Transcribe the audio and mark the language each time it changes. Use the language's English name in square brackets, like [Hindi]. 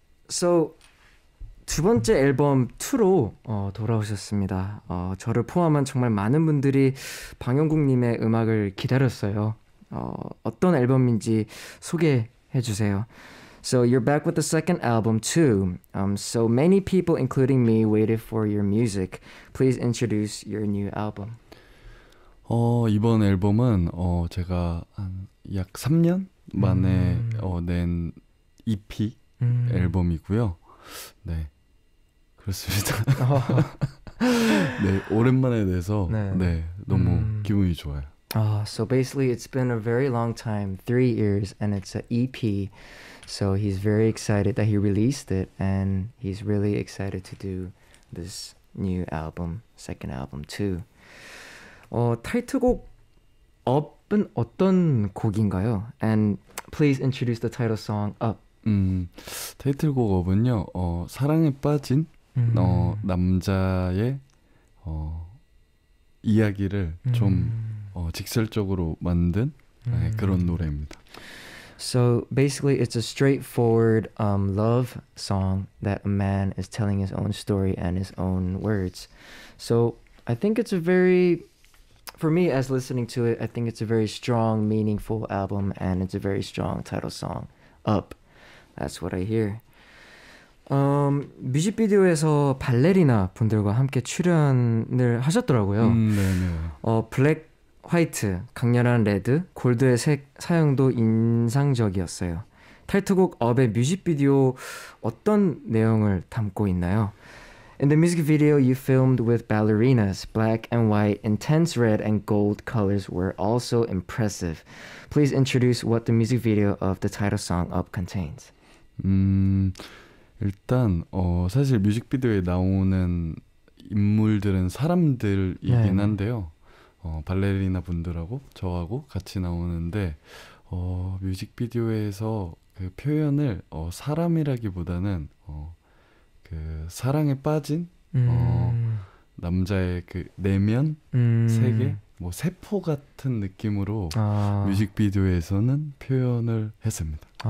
[Korean] So 두 번째 앨범 2로 돌아오셨습니다. 저를 포함한 정말 많은 분들이 방영국님의 음악을 기다렸어요. 어떤 앨범인지 소개해 주세요. [English] So you're back with the second album too. So many people, including me, waited for your music. Please introduce your new album. [Korean] 이번 앨범은 제가 한 약 3년 만에 낸 EP 앨범이고요. 네. 그렇습니다. 네, 오랜만에 돼서 네. 네, 너무 기분이 좋아요. [English] So basically it's been a very long time, 3 years, and it's an EP. So he's very excited that he released it, and he's really excited to do this new album, second album too. [Korean] 타이틀곡 Up은 어떤 곡인가요? [English] And please introduce the title song, Up. [Korean] 타이틀곡 Up은요, 사랑에 빠진? 남자의 이야기를 좀 직설적으로 만든 그런 노래입니다. [English] So basically it's a straightforward love song that a man is telling his own story and his own words. So I think it's a very, for me as listening to it, I think it's a very strong, meaningful album and it's a very strong title song, Up. That's what I hear. [Korean] 뮤직비디오에서 발레리나 분들과 함께 출연을 하셨더라고요. 네네. 블랙, 화이트, 강렬한 레드, 골드의 색 사용도 인상적이었어요. 타이틀곡 Up의 뮤직비디오 어떤 내용을 담고 있나요? [English] In the music video, you filmed with ballerinas. Black and white, intense red and gold colors were also impressive. Please introduce what the music video of the title song Up contains. [Korean] 일단 사실 뮤직비디오에 나오는 인물들은 사람들이긴 한데요. 발레리나 분들하고 저하고 같이 나오는데 뮤직비디오에서 그 표현을 사람이라기보다는 그 사랑에 빠진 남자의 그 내면 세계 뭐 세포 같은 느낌으로 뮤직비디오에서는 표현을 했습니다.